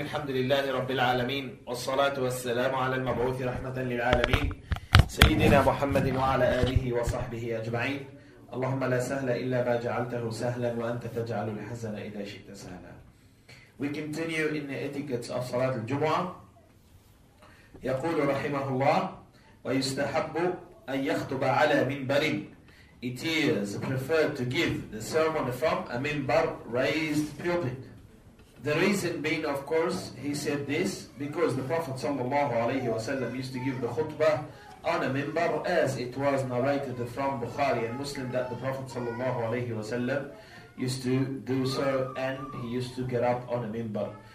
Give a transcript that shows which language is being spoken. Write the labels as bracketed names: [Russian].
[Arabic] الحمد لله رب العالمين، والصلاة والسلام على المبعوث رحمة للعالمين سيدنا محمد وعلى آله وصحبه أجمعين. اللهم لا سهل إلا ما جعلته سهلا، وأنت تجعل الحزن إذا شئت سهلا. [English] We continue in the etiquettes of صلاة الجمعة. [Arabic] يقول رحمه الله: ويستحب أن يخطب على منبر. [English] It is preferred to give the sermon from a minbar, raised pulpit. The reason being, of course, he said this because the Prophet sallallahu alaihi wasallam used to give the khutbah on a minbar, as it was narrated from Bukhari and Muslim that the Prophet sallallahu alaihi wasallam used to do so, and he used to get up on a minbar.